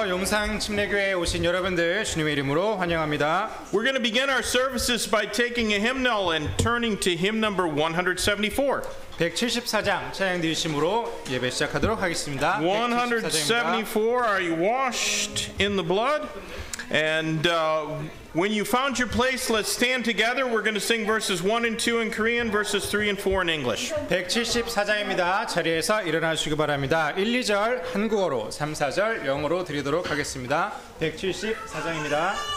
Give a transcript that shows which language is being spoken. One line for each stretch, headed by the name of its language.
Korean: 용상 침례교회에 오신 여러분들 주님의 이름으로 환영합니다.
English: We're going to begin our services by taking a hymnal and turning to hymn number 174.
Korean: 174장 찬양 드리심으로 예배 시작하도록 하겠습니다.
English: 174, are you washed in the blood? And when you found your place, let's stand together. We're going to sing verses 1 and 2 in Korean, verses 3 and 4 in English.
Korean: 174장입니다. 자리에서 일어나시기 바랍니다. 1, 2절 한국어로, 3, 4절 영어로 드리도록 하겠습니다. 174장입니다.